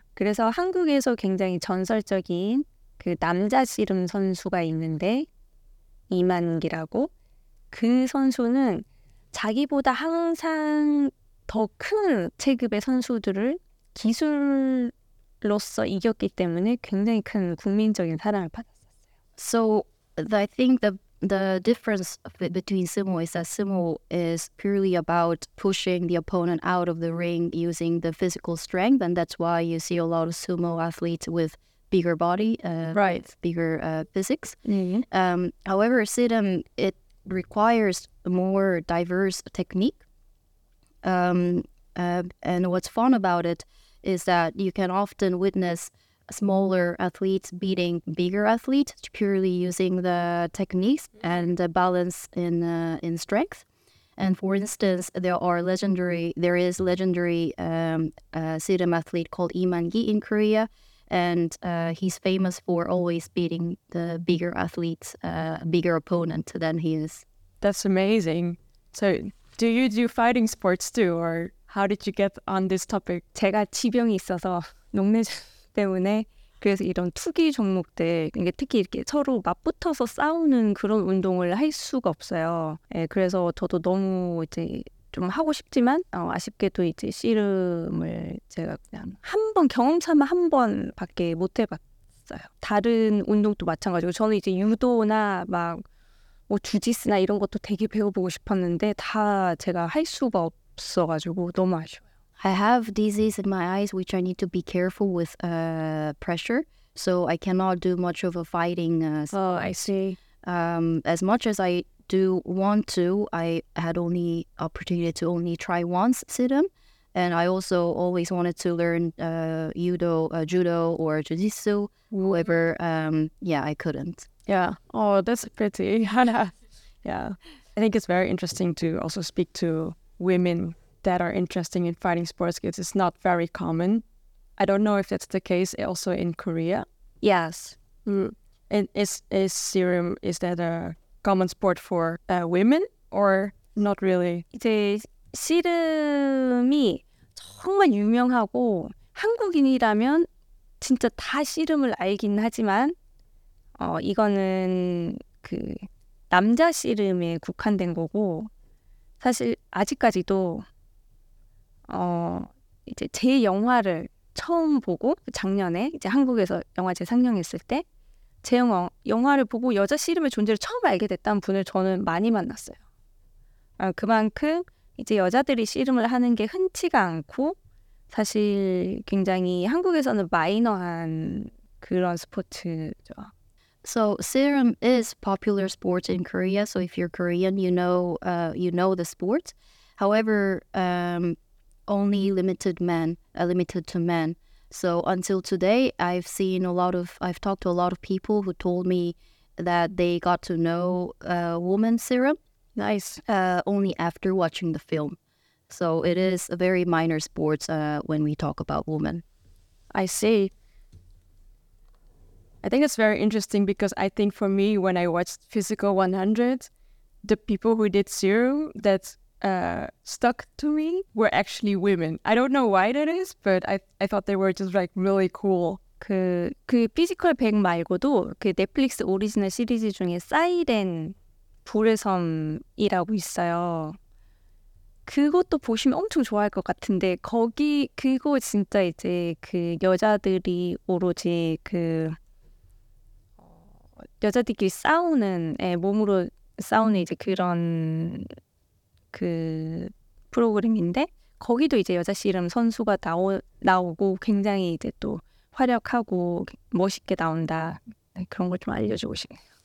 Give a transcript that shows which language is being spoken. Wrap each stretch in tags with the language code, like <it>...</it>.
<ko>그래서 한국에서 굉장히 전설적인 그 남자 씨름 선수가 있는데 이만기라고 그 선수는 자기보다 항상 더 큰 체급의 선수들을 기술로서 이겼기 때문에 굉장히 큰 국민적인 사랑을 받았었어요.</ko> <en>So I think the difference between sumo is that sumo is purely about pushing the opponent out of the ring using the physical strength, and that's why you see a lot of sumo athletes with bigger body, right, bigger physics. Mm-hmm. However, siddham it requires a more diverse technique. And what's fun about it is that you can often witness smaller athletes beating bigger athletes purely using the techniques and the balance in strength. And for instance, there is legendary siddham athlete called Imangi in Korea. And he's famous for always beating the bigger athletes, bigger opponent than he is. That's amazing. So do you do fighting sports too? Or how did you get on this topic?</en> <ko>제가 지병이 있어서 녹내 때문에 그래서 이런 투기 종목들, 특히 이렇게 서로 맞붙어서 싸우는 그런 운동을 할 수가 없어요. 예, 그래서 저도 너무 이제 좀 하고 싶지만 아쉽게도 이제 씨름을 제가 그냥 한 번 경험삼아 한 번밖에 못 해봤어요. 다른 운동도 마찬가지고 저는 이제 유도나 막 뭐 주짓수나 이런 것도 되게 배워보고 싶었는데 다 제가 할 수가 없어가지고 너무 아쉬워요.</ko> <en>I have disease in my eyes which I need to be careful with pressure. So I cannot do much of a fighting. Oh, I see. As much as I had only opportunity to only try once siddham, and I also always wanted to learn judo or jujitsu, however, I couldn't. Yeah, oh, that's pretty, Hannah. Yeah, I think it's very interesting to also speak to women that are interested in fighting sports because it's not very common. I don't know if that's the case also in Korea. Yes. Mm. And is that a common sport for women or not really?</en> <ko>이제 씨름이 정말 유명하고 한국인이라면 진짜 다 씨름을 알긴 하지만 이거는 그 남자 씨름에 국한된 거고 사실 아직까지도 이제 제 영화를 처음 보고 작년에 이제 한국에서 영화 재상영했을 때 제 영화를 보고 여자 씨름의 존재를 처음 알게 됐다는 분을 저는 많이 만났어요. 그만큼 이제 여자들이 씨름을 하는 게 흔치가 않고 사실 굉장히 한국에서는 마이너한 그런 스포츠죠.</ko> <en>So siddham is popular sport in Korea. So if you're Korean, you know the sport. However, only limited to men. So until today, I've talked to a lot of people who told me that they got to know woman siddham. Nice. Only after watching the film. So it is a very minor sport when we talk about women. I see. I think it's very interesting because I think for me, when I watched Physical 100, the people who did siddham that stuck to me were actually women. I don't know why that is, but I thought they were just like really cool</en> <ko>그 피지컬 100 말고도 그 넷플릭스 오리지널 시리즈 중에 사이렌 불의 섬이라고 있어요. 그것도 보시면 엄청 좋아할 것 같은데 거기 그거 진짜 이제 그 여자들이 오로지 그 여자들끼리 싸우는 몸으로 싸우는 이제 그런 그 프로그램인데 거기도 이제 여자 씨름 선수가 나오고 굉장히 이제 또 화려하고 멋있게 나온다 그런 걸 좀 알려주고 싶네요.</ko>